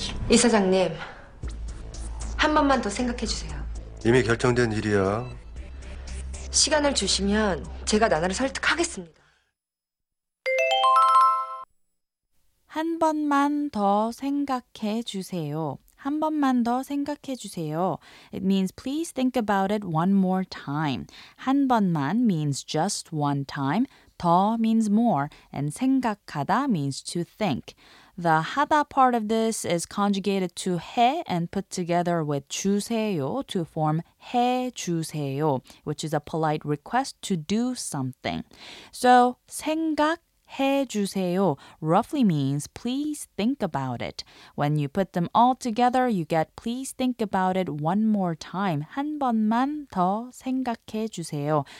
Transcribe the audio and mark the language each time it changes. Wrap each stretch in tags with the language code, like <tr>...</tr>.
<ko>이사장님, 한 번만 더 생각해 주세요. 이미 결정된 일이야. 시간을 주시면 제가 나나를 설득하겠습니다. 한 번만 더 생각해 주세요. 한 번만 더 생각해 주세요.</ko> <en>It means please think about it one more time. 한 번만 means just one time. 더 means more. And 생각하다 means to think. The 하다 part of this is conjugated to 해 and put together with 주세요 to form 해 주세요, which is a polite request to do something. So 생각 해 주세요 roughly means please think about it. When you put them all together, you get please think about it one more time.</en> <ko>한 번만 더 생각해 주세요.</ko>